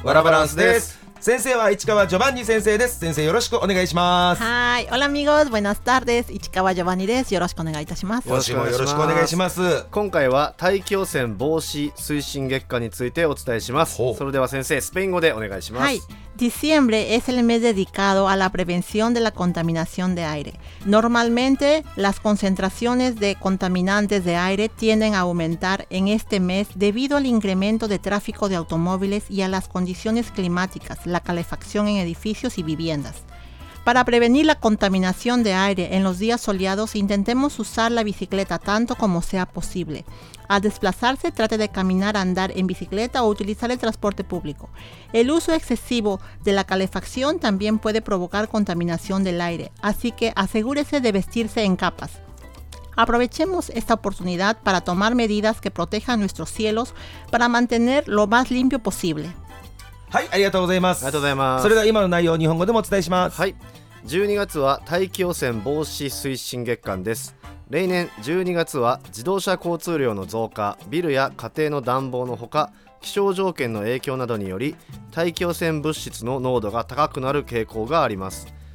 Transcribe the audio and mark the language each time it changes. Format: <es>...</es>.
<ja>ワラバランスです。先生は市川ジョバンニ先生です。先生よろしくお願いします。はい、</ja> <es>オラミゴーズ、ボイナスター</es> <ja>です。市川ジョバンニです。よろしくお願いいたします。よろしくお願いします。しします。今回は大気汚染防止推進月間についてお伝えします。それでは先生、スペイン語でお願いします。</ja> <es>はい、Diciembre es el mes dedicado a la prevención de la contaminación de aire. Normalmente, las concentraciones de contaminantes de aire tienden a aumentar en este mes debido al incremento de tráfico de automóviles y a las condiciones climáticas, la calefacción en edificios y viviendas. Para prevenir la contaminación de aire en los días soleados, intentemos usar la bicicleta tanto como sea posible. Al desplazarse, trate de caminar, andar en bicicleta o utilizar el transporte público. El uso excesivo de la calefacción también puede provocar contaminación del aire, así que asegúrese de vestirse en capas. Aprovechemos esta oportunidad para tomar medidas que protejan nuestros cielos para mantener lo más limpio posible.</es> <ja>はい、ありがとうございます。ありがとうございます。それでは今の内容を日本語でもお伝えします。はい。 12月は大気汚染防止推進月間です。例年12月は自動車交通量の増加、ビルや家庭の暖房のほか、気象条件の影響などにより大気汚染物質の濃度が高くなる傾向があります。</ja>